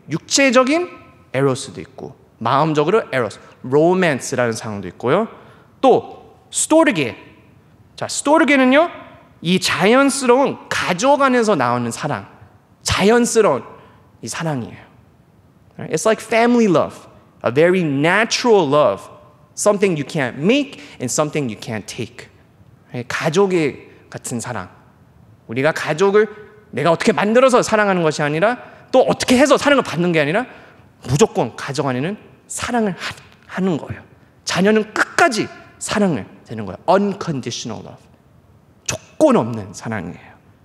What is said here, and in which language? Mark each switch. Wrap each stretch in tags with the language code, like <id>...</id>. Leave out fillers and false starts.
<ko>육체적인 에로스도 있고 마음적으로 에로스 로맨스라는 사랑도 있고요. 또 스토르게. 자, 스토르게는요 이 자연스러운 가족 안에서 나오는 사랑 자연스러운 이 사랑이에요.</ko> <en>Right? It's like family love. A very natural love. Something you can't make and something you can't take.</en> <ko>가족의 같은 사랑. 우리가 가족을 내가 어떻게 만들어서 사랑하는 것이 아니라 또 어떻게 해서 사랑을 받는 게 아니라 무조건 가족 안에는 사랑을 하는 거예요. 자녀는 끝까지 사랑을 되는 거예요.</ko> <en>Unconditional love.</en> <ko>조건 없는 사랑이에요.</ko>